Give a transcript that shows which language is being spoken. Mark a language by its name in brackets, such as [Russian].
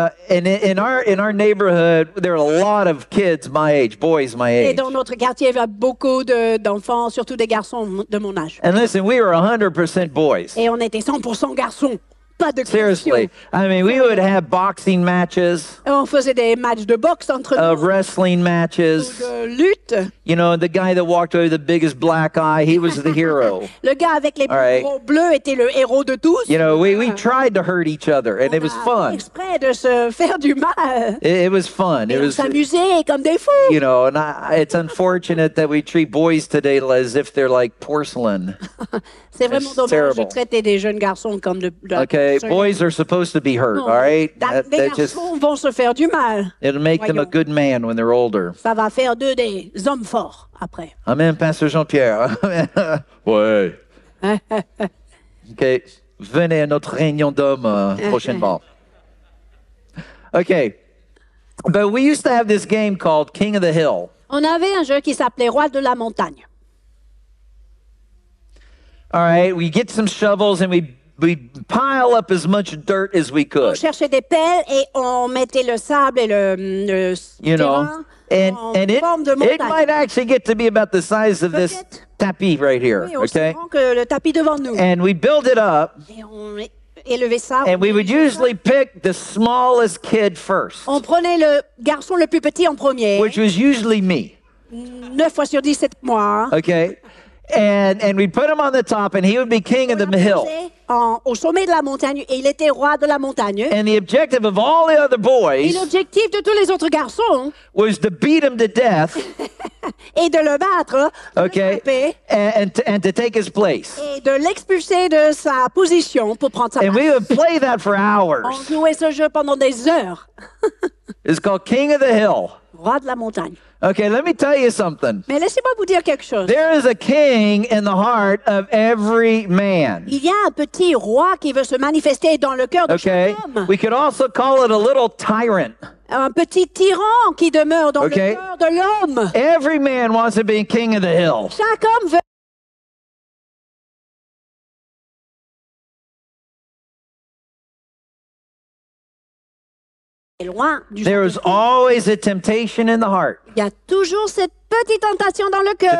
[English] And in our neighborhood, there are a lot of kids my age, boys my age. [French] Et dans notre quartier, il y a beaucoup d'enfants, surtout des garçons de mon âge. [English] And listen, we were 100% boys. [French] Et on était 100% garçons. [English] Seriously, I mean, we would have boxing matches. [French] On faisait des matchs de boxe entre nous. [English] Wrestling matches. [French] De lutte. [English] You know, the guy that walked away with the biggest black eye, he was the hero. [French] Le gars avec les plus gros bleus était le héros de tous. [English] You know, we tried to hurt each other, and [French] on [English] it was fun. [French] Exprès de se faire du mal. [English] It was fun. [French] Et [English] it was. [French] On s'amusait comme des fous. [English] You know, and it's unfortunate that we treat boys today as if they're like porcelain. [French] C'est vraiment [English] it's [French] dommage terrible. De traiter des jeunes garçons comme de. [English] Okay. Boys are supposed to be hurt, [French] non, [English] all right? That just, [French] vont se faire du mal. [English] It'll make [French] voyons. [English] Them a good man when they're older. [French] Ça va faire d'eux des hommes forts après. [English] Amen, Pastor Jean-Pierre. [French] Ouais. Okay, venez à notre réunion d'hommes prochainement. [English] Okay, but we used to have this game called King of the Hill. [French] On avait un jeu qui s'appelait Roi de la Montagne. [English] All right, we get some shovels and we pile up as much dirt as we could. [French] On cherchait des pelles et on mettait le sable et le [English] you know, [French] terrain en forme de montagne. [English] It might actually get to be about the size of this tapis right here, [French] oui, [English] okay? [French] Que le tapis devant nous. [English] And we build it up. [French] Et on élevait ça. [English] And we would usually pick the smallest kid first. [French] On prenait le garçon le plus petit en premier. [English] Which was usually me. [French] 9 fois sur 10, c'était moi. [English] Okay. And we put him on the top, and he would be king of the hill. [French] Au sommet de la montagne, et il était roi de la montagne. [English] And the objective of all the other boys. [French] Et l'objectif de tous les autres garçons. [English] Was to beat him to death. [French] Et de le battre. [English] Okay. And to take his place. [French] Et de l'expulser de sa position pour prendre sa place. [English] And we would play that for hours. [French] On jouait ce jeu pendant des heures. [English] It's called King of the Hill. [French] Roi de la montagne. [English] Okay, let me tell you something. [French] Mais laissez-moi vous dire quelque chose. [English] There is a king in the heart of every man. [French] Il y a un petit roi qui veut se manifester dans le cœur de [English] okay. [French] chaque homme. [English] We could also call it a little tyrant. [French] Un petit tyran qui demeure dans okay. le cœur de l'homme. [English] Every man wants to be king of the hill. [French] Chaque homme veut. [English] There is always a temptation in the heart. [French] Il y a toujours cette petite tentation dans le cœur.